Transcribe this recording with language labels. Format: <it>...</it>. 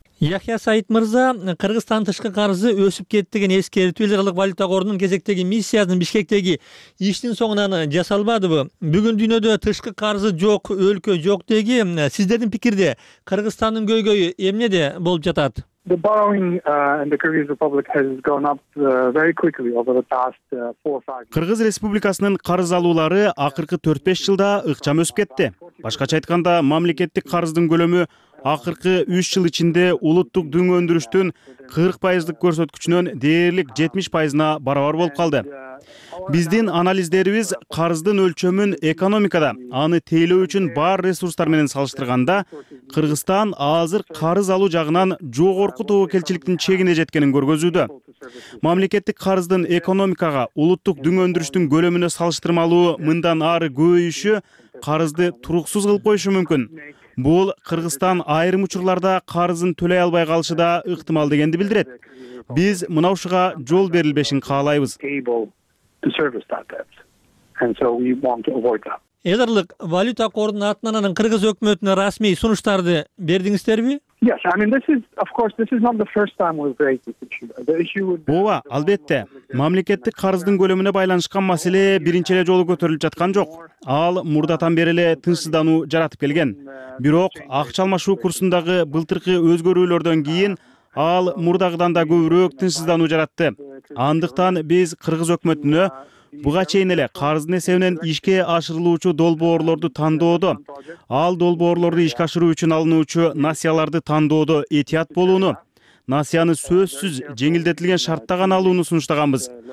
<ky>Яхия Саид мырза, Кыргызстан тышкы карызы өсүп кеттигин эскертүү эл аралык валюта корунун кезектеги миссиясынын Бишкектеги иштин соңунан жасалбадыбы? Бүгүн дүйнөдө тышкы карызы жок өлкө жок деги, сиздердин пикирде Кыргызстандын көйгөйү эмнеде болуп жатат?</ky> <en>The borrowing in the Kyrgyz Republic has gone up very quickly over the past 4-5.</en> <ky>Кыргыз Республикасынын карыз алуулары акыркы 4-5 жылда ыкчам өсүп кетти. Башкача айтканда, мамлекеттик карыздын көлөмү акыркы 3 жыл ичинде улуттук дүң өндүрүштүн 40% көрсөткүчүнөн дээрлик 70% барабар болуп калды. Биздин анализдерибиз карыздын өлчөмүн экономикада аны тейлөө үчүн бар ресурстар менен салыштырганда Кыргызстан азыр карыз алуу жагынан жогорку тобокелчиликтин чегине жеткенин көргөзүүдө. Мамлекеттик карыздын экономикага улуттук дүң өндүрүштүн көлөмүнө салыштырмалуу мындан ары көбөйүшү карызды туруксуз кылып коюшу мүмкүн. Бул Кыргызстан айрым учурларда карызын төлөй албай калышы да ыктымал дегенди билдирет. Биз мына ушуга жол берилбешин каалайбыз. Эл аралык валюта корунун атынан анын кыргыз өкмөтүнө расмий сунуштарды бердиңиздерби?</ky> <en>Yes, I mean this is not the first time we've raised this issue.</en> <ky>Ооба, албетте. Мамлекеттик карыздын көлөмүнө байланышкан маселе биринчи эле жолу көтөрүлүп жаткан жок. Ал мурдатан бери эле тынчсыздануу жаратып келген. Бирок акча алмашуу курсундагы былтыркы өзгөрүүлөрдөн кийин ал мурдагыдан да көбүрөөк тынчсыздануу жаратты. Андыктан биз кыргыз өкмөтүнө буга чейин эле карыздын эсебинен ишке ашырылуучу долбоорлорду тандоодо, ал долбоорлорду ишке ашыруу үчүн алынуучу насыяларды тандоодо этият болууну, насыяны сөзсүз жеңилдетилген шартта гана алууну сунуштаганбыз.</ky>